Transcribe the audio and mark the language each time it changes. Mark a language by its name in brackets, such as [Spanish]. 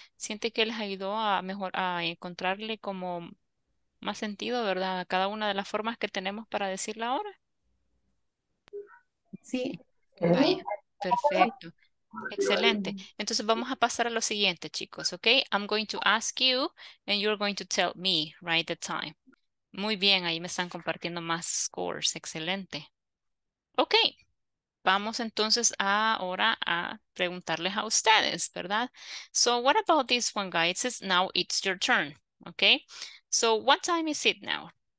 [Spanish] ¿Siente que les ayudó a mejor a encontrarle como más sentido, verdad, a cada una de las formas que tenemos para decirla ahora? Sí. Vaya, perfecto. Excelente. Entonces vamos a pasar a lo siguiente, chicos, ok. [English] I'm going to ask you and you're going to tell me right the time. [Spanish] Muy bien, ahí me están compartiendo más scores. Excelente. Ok, vamos entonces ahora a preguntarles a ustedes, ¿verdad? [English] So, what about this one, guys? It's now it's your turn, ¿ok? So, what time is it now?